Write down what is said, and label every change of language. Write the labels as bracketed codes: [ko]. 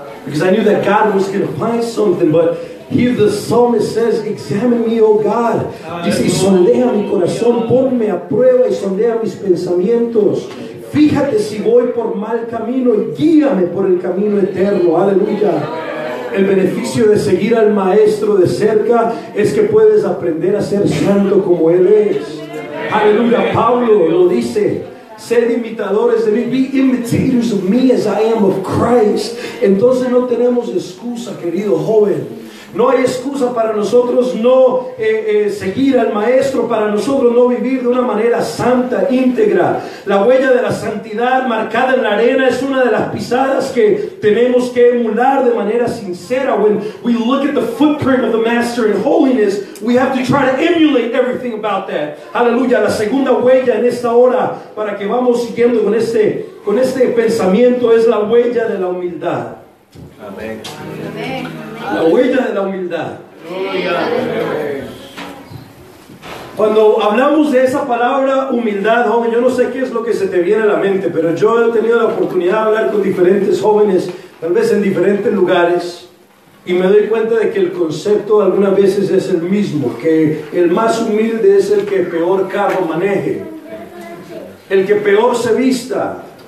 [en] Because I knew that God was going to find something. But here the psalmist says, examine me, oh God. [es] Dice, y sondea mi corazón, ponme a prueba y sondea mis pensamientos. Fíjate si voy por mal camino y guíame por el camino eterno. Aleluya. El beneficio de seguir al Maestro de cerca es que puedes aprender a ser santo como Él es. Aleluya. Pablo lo dice. Sed imitadores de mí. [en] Be imitators of me as I am of Christ. [es] Entonces no tenemos excusa, querido joven. No hay excusa para nosotros no seguir al Maestro, para nosotros no vivir de una manera santa, íntegra. La huella de la santidad marcada en la arena es una de las pisadas que tenemos que emular de manera sincera. [en] When we look at the footprint of the Master in holiness, we have to try to emulate everything about that. [es] Aleluya. La segunda huella en esta hora, para que vamos siguiendo con este pensamiento, es la huella de la humildad. Amén. Amén. La huella de la humildad. Gloria. Cuando hablamos de esa palabra humildad, joven, yo no sé qué es lo que se te viene a la mente, pero yo he tenido la oportunidad de hablar con diferentes jóvenes, tal vez en diferentes lugares, y me doy cuenta de que el concepto algunas veces es el mismo, que el más humilde es el que peor carro maneje, el que peor se vista.